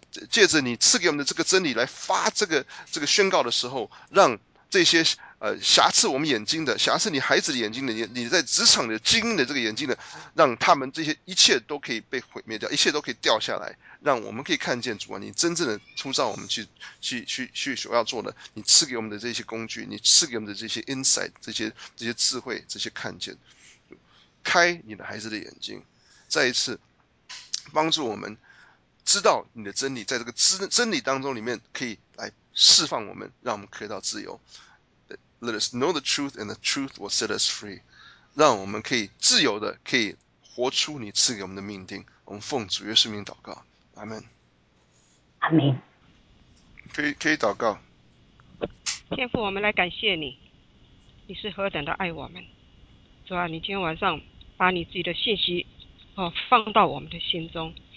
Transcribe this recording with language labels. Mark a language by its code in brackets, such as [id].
[zh] 借着你赐给我们的这个真理来发这个宣告的时候，让这些瑕疵我们眼睛的，瑕疵你孩子的眼睛的，你在职场的精英的这个眼睛的，让他们这些一切都可以被毁灭掉，一切都可以掉下来，让我们可以看见主啊，你真正的出战我们去所要做的，你赐给我们的这些工具，你赐给我们的这些 insight， 这些智慧，这些看见，开你的孩子的眼睛，再一次帮助我们。知道你的真理，在这个真理当中里面可以来释放我们，让我们可以到自由。 [en] Let us know the truth, and the truth will set us free. [zh] 让我们可以自由的，可以活出你赐给我们的命定。我们奉主耶稣名祷告，阿门。阿门。可以祷告。天父，我们来感谢你，你是何等的爱我们。主啊，你今天晚上把你自己的信息放到我们的心中。